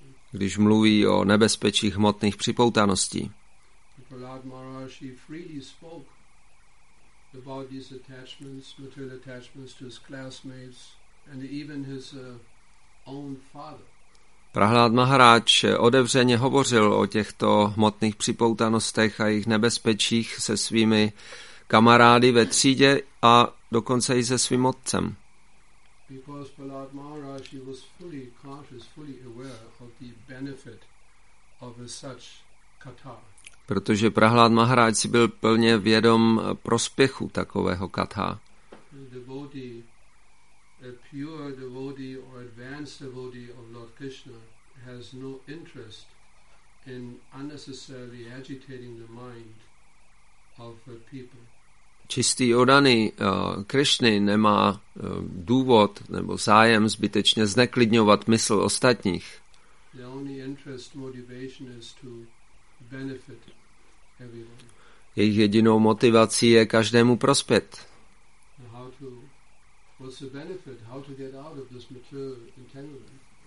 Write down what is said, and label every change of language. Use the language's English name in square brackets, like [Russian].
[Czech] Když mluví o nebezpečí hmotných připoutaností, [English] Prahlad Maharaj freely spoke about these attachments, material attachments to his classmates and even his own father. [Czech] Prahlád Maharaj otevřeně hovořil o těchto hmotných připoutanostech a jejich nebezpečích se svými kamarády ve třídě a dokonce i se svým otcem. [English] Because Prahlád Maharaj was fully conscious, fully aware of the benefit of such katha. [Czech] Protože Prahlád Maharaj si byl plně vědom prospěchu takového katha. [English] A pure devotee or advanced devotee of Lord Krishna has no interest in unnecessarily agitating the mind of the people. [Czech] Čistý oddaný Krishny nemá důvod nebo zájem zbytečně zneklidňovat mysl ostatních. [English] The only interest motivation is to benefit everyone. [Czech] Jejich jedinou motivací je každému prospět. [English] What's the benefit? How to get out of this material entanglement?